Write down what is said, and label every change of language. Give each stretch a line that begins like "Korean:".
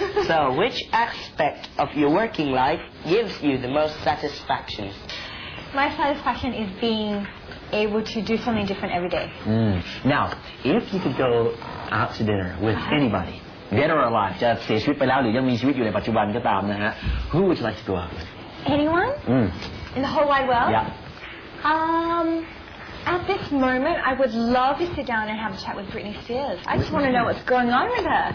English: So which aspect of your working life gives you the most satisfaction? My satisfaction is being able to do something different every day. Now, if you could go out to dinner with anybody, dead or alive,
Thai: จะเสียชีวิตไปแล้วหรือยังมีชีวิตอยู่ในปัจจุบันก็ตามนะฮะ
English: Who would you like to go out with? Anyone? In the whole wide world? Yeah. At this moment, I would love to sit down and have a chat with Britney Spears. I just want to know what's going on with her.